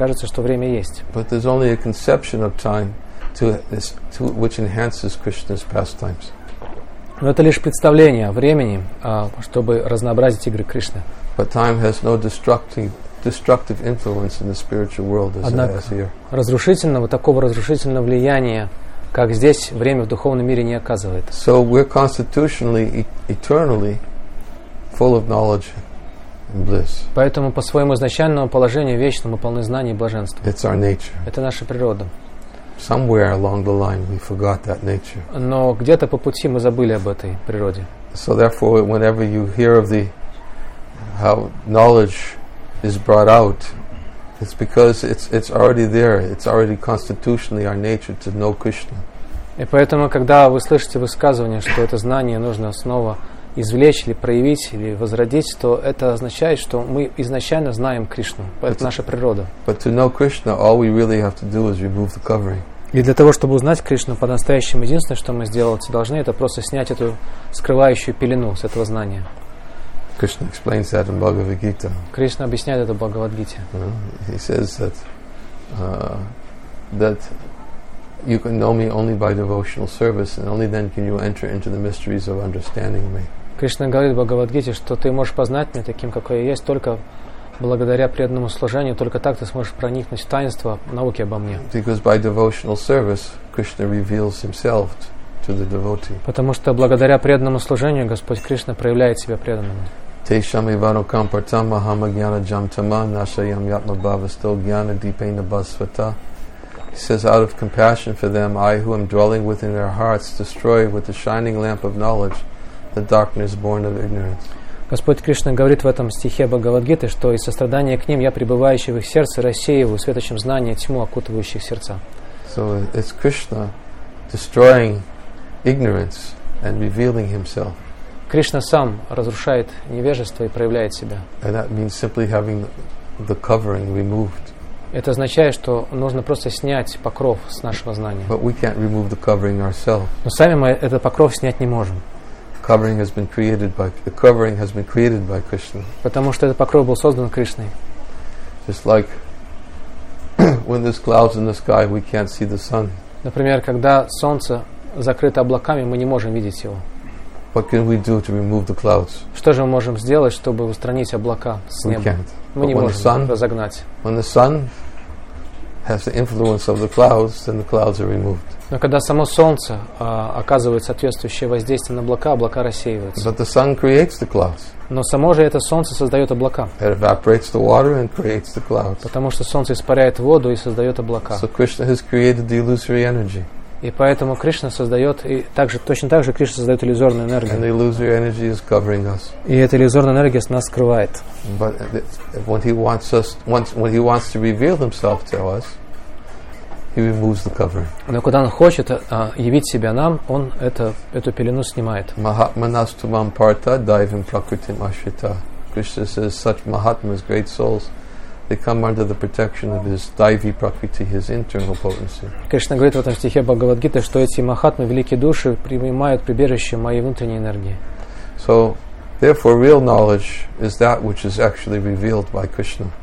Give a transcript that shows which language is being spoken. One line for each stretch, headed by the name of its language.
Russian: Кажется, что время есть.
English: But there's only a conception of time to which enhances Krishna's pastimes.
Russian: Но это лишь представление о времени, чтобы разнообразить игры Кришны.
English: But time has no destructive influence in the spiritual world as it has here.
Russian: Разрушительного, такого разрушительного влияния как здесь время в духовном мире не оказывает.
English: So we're constitutionally eternally full of knowledge and bliss.
Russian: Поэтому по своему изначальному положению вечно мы полны знаний и блаженства.
English: It's our nature.
Russian: Это наша природа.
English: Somewhere along the line we forgot that nature.
Russian: Но где-то по пути мы забыли об этой природе.
English: So therefore, whenever you hear of the how knowledge is brought out, it's because it's already there. It's already constitutionally our nature to know Krishna.
Russian: И поэтому, когда вы слышите высказывание, что это знание нужно снова извлечь или проявить или возродить, то это означает, что мы изначально знаем Кришну. Это наша природа.
English: But to know Krishna, all we really have to do is remove the covering.
Russian: И для того, чтобы узнать Кришну по-настоящему, единственное, что мы сделать должны, это просто снять эту скрывающую пелену с этого знания.
English: Krishna explains that in Bhagavad Gita.
Russian: Krishna объясняет это в Бхагавад Гите.
English: He says that you can know me only by devotional service, and only then can you enter into the mysteries of understanding me.
Russian: Кришна говорит в Бхагавад Гите, что ты можешь познать меня таким, какой я есть, только благодаря преданному служению, только так ты сможешь проникнуть в таинство науки обо мне.
English: Because by devotional service, Krishna reveals himself to the devotee.
Russian: Потому что благодаря преданному служению Господь Кришна проявляет себя преданному.
Sanskrit: Тешам ивану кампартам махамагьяна джамтама нашаям ятма бхавасто гьяна дипейна басвата.
English: He says, out of compassion for them, I who am dwelling within their hearts destroy with the shining lamp of knowledge the darkness born of ignorance.
Russian: Господь Кришна говорит в этом стихе Бхагавадгиты, что из сострадания к ним я, пребывающий в их сердце, рассеиваю светочем знания тьму, окутывающих сердца.
English: So it's Krishna destroying ignorance and revealing himself.
Russian: Кришна сам разрушает невежество и проявляет себя.
English: And that means simply having the covering removed.
Russian: Это означает, что нужно просто снять покров с нашего знания.
English: But we can't remove the covering ourselves.
Russian: Но сами мы этот покров снять не можем.
English: covering has been created by the covering has been created by Krishna.
Russian: Потому что этот покров был создан Кришной.
English: Just like when there's clouds in the sky, we can't see the sun.
Russian: Например, когда солнце закрыто облаками, мы не можем видеть его.
English: What can we do to remove the clouds?
Russian: Что же мы можем сделать, чтобы устранить облака с неба?
English: We can't.
Russian: Мы не можем разогнать.
English: When the sun has the influence of the clouds, then the clouds are removed.
Russian: Но когда само солнце оказывает соответствующее воздействие на облака, облака рассеиваются.
English: But the sun creates the clouds.
Russian: Но само же это солнце создает облака.
English: It evaporates the water and creates the clouds.
Russian: Потому что солнце испаряет воду и создает облака.
English: So Krishna has created the illusory energy.
Russian: И поэтому Кришна создает, и также, точно так же Кришна создает иллюзорную энергию.
English: And the illusory energy is covering us.
Russian: И эта иллюзорная энергия нас скрывает.
English: But when he wants us, when he wants to reveal himself to us, he removes the covering.
Russian: Но когда он хочет явить себя нам, он это, эту пелену снимает.
Sanskrit: Mahatmanastumam partha divam prakritim ashrita.
English: Krishna says such mahatmas, great souls, they come under the protection of his daivi prakriti, his internal potency.
Russian: Кришна говорит в этом стихе Бхагавадгиты, что эти махатмы, великие души, принимают прибежище моей внутренней энергии.
English: So, therefore, real knowledge is that which is actually revealed by Krishna.